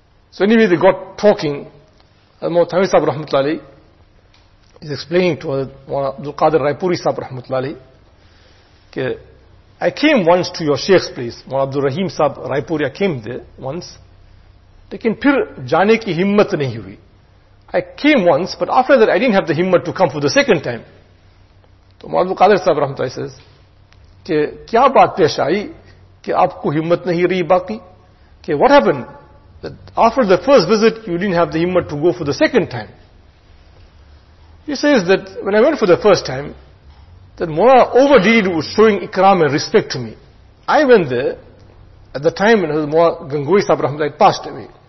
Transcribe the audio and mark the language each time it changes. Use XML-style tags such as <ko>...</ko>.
<en>So anyway, they got talking. Hazrat Thamisa Sahib Rahmatullahi Ali is explaining to Abdul Qadir Raipuri Sahib Rahmatullahi Ali, I came once to your Sheikh's place, Abdul Rahim Sahib Raipuri, I came there once,</en> <ur>lekin phir jane ki himmat nahi hui.</ur> <en>I came once, but after that I didn't have the himmat to come for the second time. So Abdul Qadir Sahib Rahmatullahi says,</en> <ur>kya baat pesh aayi کہ آپ کو ہمت نہیں رہی باقی.</ur> <en>کہ what happened after the first visit you didn't have the himmat to go for the second time. He says that when I went for the first time, that Mona overdid it was showing ikram and respect to me. I went there at the time when Mona Gangohi Sahib Rahmatullah passed away.</en>